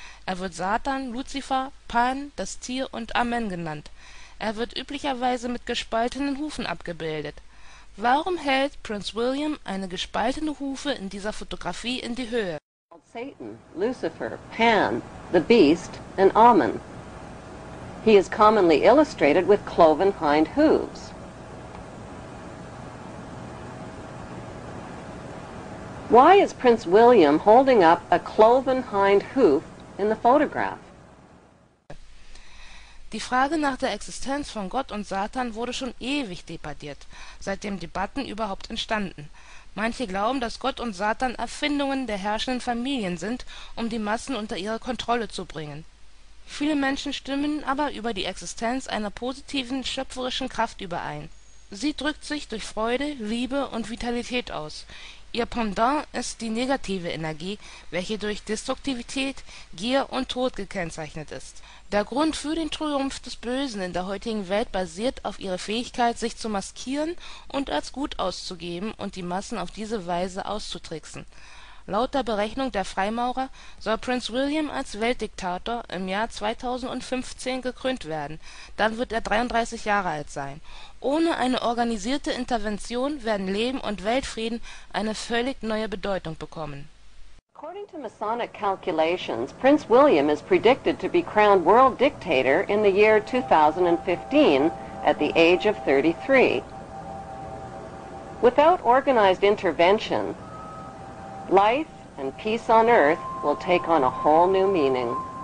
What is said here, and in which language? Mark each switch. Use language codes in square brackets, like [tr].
[de] Er wird Satan, Luzifer, Pan, das Tier und Amen genannt. Er wird üblicherweise mit gespaltenen Hufen abgebildet. Warum hält Prinz William eine gespaltene Hufe in dieser Fotografie in die Höhe? [en] Satan, Lucifer, Pan, the Beast and Amun. He is commonly illustrated with cloven hind hooves. Why is Prince William holding up a cloven hind hoof in the photograph? [de] Die Frage nach der Existenz von Gott und Satan wurde schon ewig debattiert, seitdem Debatten überhaupt entstanden. Manche glauben, dass Gott und Satan Erfindungen der herrschenden Familien sind, um die Massen unter ihre Kontrolle zu bringen. Viele Menschen stimmen aber über die Existenz einer positiven, schöpferischen Kraft überein. Sie drückt sich durch Freude, Liebe und Vitalität aus. Ihr Pendant ist die negative Energie, welche durch Destruktivität, Gier und Tod gekennzeichnet ist. Der Grund für den Triumph des Bösen in der heutigen Welt basiert auf ihrer Fähigkeit, sich zu maskieren und als gut auszugeben und die Massen auf diese Weise auszutricksen. Laut der Berechnung der Freimaurer soll Prinz William als Weltdiktator im Jahr 2015 gekrönt werden. Dann wird er 33 Jahre alt sein. Ohne eine organisierte Intervention werden Leben und Weltfrieden eine völlig neue Bedeutung bekommen. [en] According to Masonic calculations, Prince William is predicted to be crowned world dictator in the year 2015 at the age of 33. Without organized intervention, life and peace on earth will take on a whole new meaning.